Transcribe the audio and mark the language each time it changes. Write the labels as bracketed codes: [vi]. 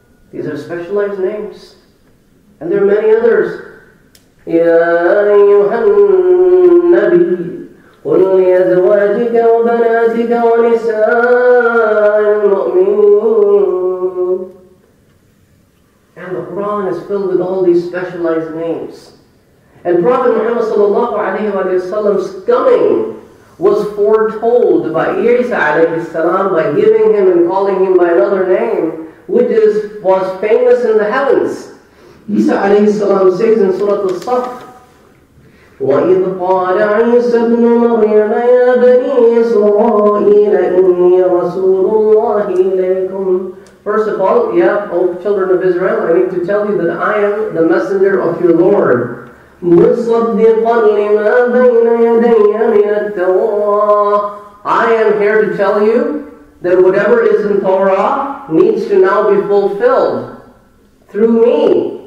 [en] These are specialized names. And there are many others. [ar] Ya Ayyuhal Nabi. قل لأزواجك وبناتك ونساء المؤمنين. [en] And the Quran is filled with all these specialized names. And Prophet Muhammad sallallahu alaihi wasallam's coming was foretold by Isa alayhi salam by giving him and calling him by another name, which was famous in the heavens. Isa alayhi salam says in Surah Al-Saff, [ar] وَإِذْ قَالَ عِيسَى ابْنُ مَرْيَمَ يَا بَنِي إِسْرَائِيلَ إِنِّي رَسُولُ اللَّهِ إِلَيْكُمْ. [en] First of all, O children of Israel, I need to tell you that I am the messenger of your Lord. [ar] مُصَدِّقًا لِمَا بَيْنَ يَدَيَّ مِنَ التَّوْرَاةِ. [en] I am here to tell you that whatever is in Torah needs to now be fulfilled through me.